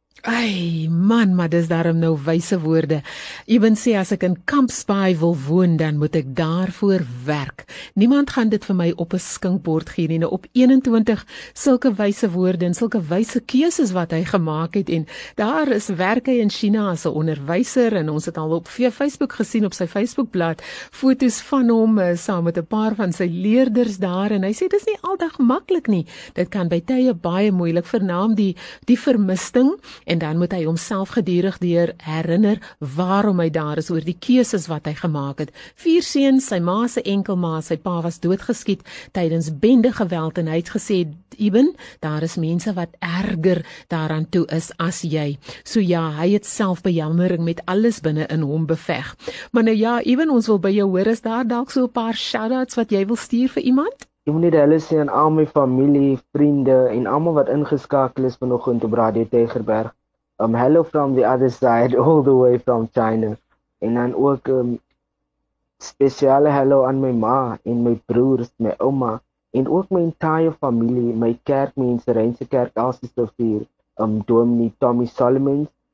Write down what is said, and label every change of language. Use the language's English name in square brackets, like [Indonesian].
[Afrikaans] Ai man, maar dis daarom nou wyse woorde. Eben sê, as ek in Kampspaai wil woon, dan moet ek daarvoor werk. Niemand gaan dit vir my op 'n skinkbord gee nie. Nou op 21 sulke wyse woorde en sulke wyse keuses wat hy gemaak het en daar is werk hy in China as 'n onderwyser en ons het al op Facebook gesien op sy Facebookblad foto's van hom saam met 'n paar van sy leerders daar en hy sê dis nie aldag maklik nie. Dit kan by tye baie moeilik, vernaam die vermisting. En dan moet hy homself gedurig deur herinner waarom hy daar is oor die keuses wat hy gemaak het. 4 seuns, sy ma se enkelma, sy pa was doodgeskiet tydens bende geweld en hy het gesê, Eben, daar is mense wat erger daaraan toe is as jy. So ja, hy het self bejammering met alles binne in hom beveg. Maar nou ja, Eben, ons wil by jou hoor, is daar dalk so 'n paar shout-outs wat jy wil stuur vir iemand? Ek moet net hulle sê aan al my familie, vriende en almal wat ingeskakel is vanoggend op Radio Tygerberg. [English] Hello from the other side, all the way from China. [Afrikaans] En dan ook speciale hello aan my ma en my broers, my oma en ook my entire familie, my kerkmense, Rynse Kerk, Alsisofier, Dominee Tommy Solomon.